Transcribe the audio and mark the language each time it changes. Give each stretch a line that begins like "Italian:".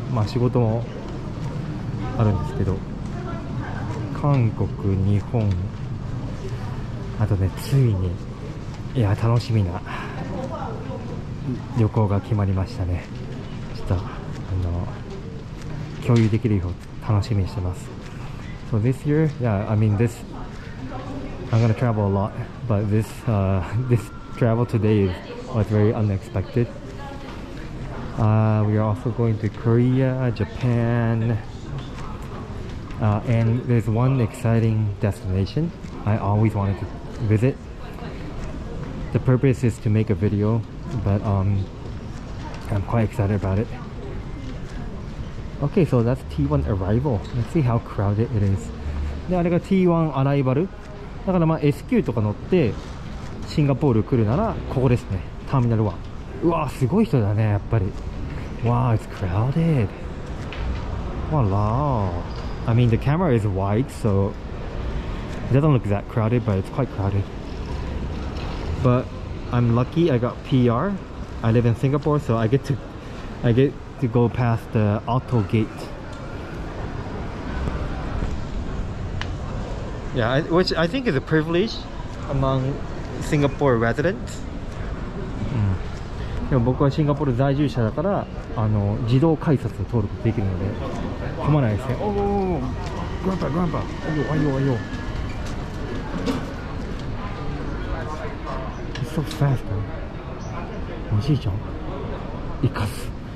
Japanese: まあ仕事もあるんですけど、韓国、日本、あとねついに、いや楽しみな旅行が決まりましたね。ちょっと共有できるよう楽しみにしてます。
English: So this year, yeah, I mean this, I'm gonna travel a lot, but this, this travel today was very unexpected. We are also going to Korea, Japan, and there's one exciting destination I always wanted to visit. The purpose is to make a video, but I'm quite excited about it. Okay, so that's T1 arrival. Let's see how crowded it is.
Japanese: で、あれが T1 arrival。だからまあ SQ とか乗ってシンガポール来るならここですね。ターミナル1。うわすごい人だねやっぱり。
English: Wow, it's crowded. Wow. I mean, the camera is wide, so it doesn't look that crowded, but it's quite crowded. But I'm lucky I got PR. I live in Singapore, so I get to go past the auto gate. Yeah, which I think is a privilege among Singapore residents.
Japanese: でも僕はシンガポール在住者だから、あの自動改札を通ることができるので困らないですね。おお、グランパグランパ、あよあよあよ。
English: It's so fast.
Japanese: おじいちゃん、行かす。